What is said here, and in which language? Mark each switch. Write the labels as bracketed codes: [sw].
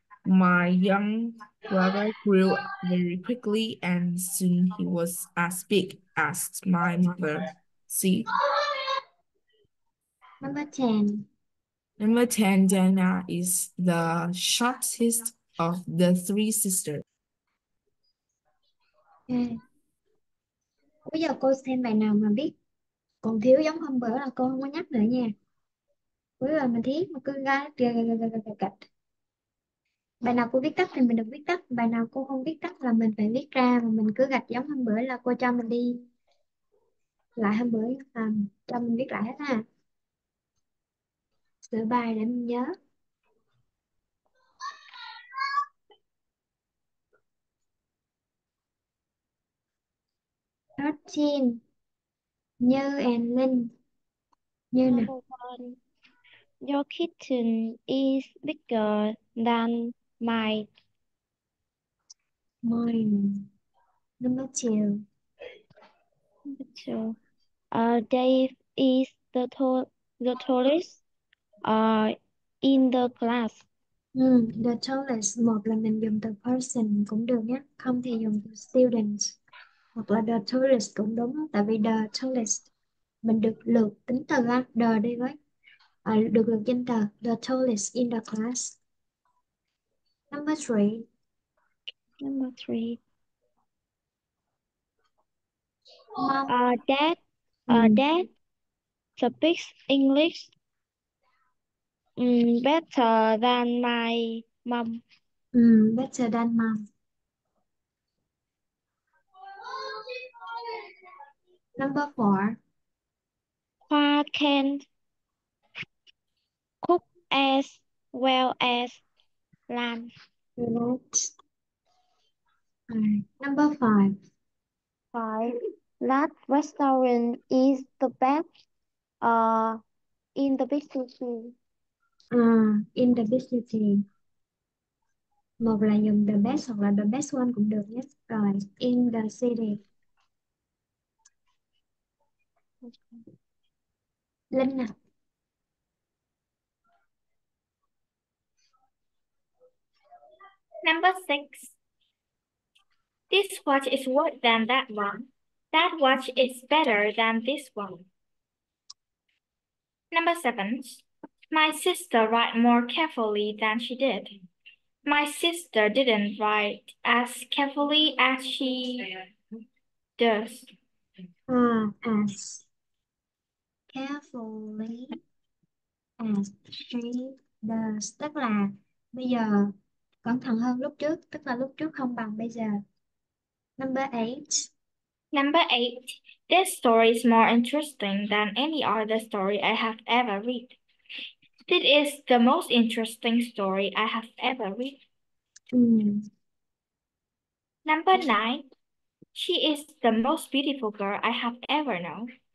[en] My young brother grew very quickly and soon he was as big as my mother. Number 10. Number 10, Dana is the shortest of the three sisters. Okay. [vi] Bây giờ cô xem bài nào mà biết còn thiếu giống hôm bữa là cô không có nhắc nữa nha. Cuối rồi mình thiết mà cứ ra gạch. Bài nào cô viết tắt thì mình được viết tắt, bài nào cô không viết tắt là mình phải viết ra, mà mình cứ gạch giống hôm bữa là cô cho mình đi lại hôm bữa cho mình viết lại hết ha. Sửa bài để mình nhớ. Như and Linh. Như nè. [en] Number one, your kitchen is bigger than mine. Mine. Number 2. Number two, Dave is the tallest in the class. The tallest. [vi] Một là mình dùng từ person cũng được nhé. Không thì dùng từ student. Hoặc là the tallest cũng đúng. Tại vì the tallest mình được lược tính từ á. [en] The [vi] đi với. Được lược danh từ. [en] The tallest in the class. Number 3. Number three. Mom. Dad speaks English better than my mom. Better than mom. Number 4. Pa can cook as well as lamb. Right. Number five. Five. That restaurant is the best in the business school. In the business team. [vi] Một là dùng the best hoặc là the best one cũng được nhé. [en] Rồi, in the city. [vi] Linh nè. [en] Number six. This watch is worse than that one. That watch is better than this one. Number seven. My sister write more carefully than she did. My sister didn't write as carefully as she does. As carefully as she does. [vi] Tức là bây giờ cẩn thận hơn lúc trước, tức là lúc trước không bằng bây giờ. [en] Number eight. Number eight. This story is more interesting than any other story I have ever read. This is the most interesting story I have ever read. Number nine. She is the most beautiful girl I have ever known.